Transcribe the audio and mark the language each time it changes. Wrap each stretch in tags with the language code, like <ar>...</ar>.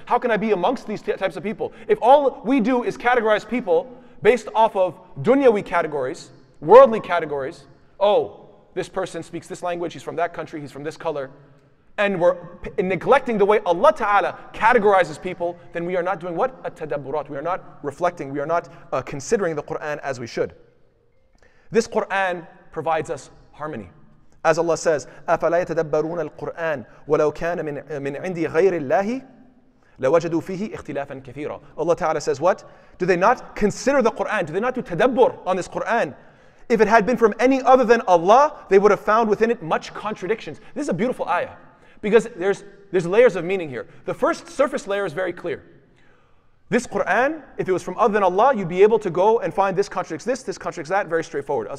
<en>How can I be amongst these types of people? If all we do is categorize people based off of dunyawi categories, worldly categories, oh, this person speaks this language, he's from that country, he's from this color, and we're neglecting the way Allah Ta'ala categorizes people, then we are not doing what? At-tadabburat. We are not reflecting, we are not considering the Qur'an as we should. This Qur'an provides us harmony. As Allah says,</en> <ar>أَفَلَا يَتَدَبَّرُونَ الْقُرْآنَ وَلَوْ كَانَ مِنْ عِنْدِي غَيْرِ اللَّهِ لَوَجَدُوا فِيهِ اِخْتِلَافًا كَثِيرًا.</ar> <en>Allah Ta'ala says what? Do they not consider the Qur'an? Do they not do tadabbur on this Qur'an? If it had been from any other than Allah, they would have found within it much contradictions. This is a beautiful ayah, because there's layers of meaning here. The first surface layer is very clear. This Qur'an, if it was from other than Allah, you'd be able to go and find this contradicts that, very straightforward.</en>